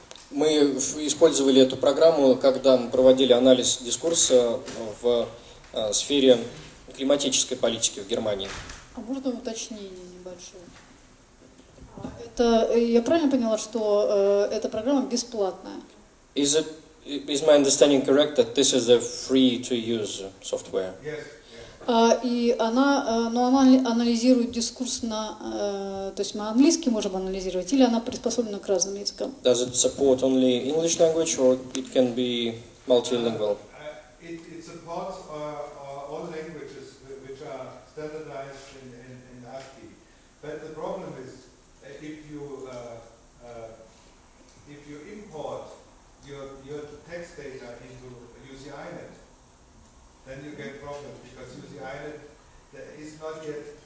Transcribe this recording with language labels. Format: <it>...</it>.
<ru>Мы использовали эту программу, когда мы проводили анализ дискурса в сфере климатической политики в Германии. А можно уточнение небольшое? Это, я правильно поняла, что эта программа бесплатная?</ru> <en>Is my understanding correct that this is a free to use software? Yes.</en> <ru>И она, но она анализирует дискурс на, то есть мы английский можем анализировать, или она приспособлена к разным языкам?</ru> <en>Does it support only English language, or it can be multilingual? It supports all languages which are standardized in ASCII. But the problem is, if you import your text data into UCINET, then you get problems. Because UCINET is not yet</en>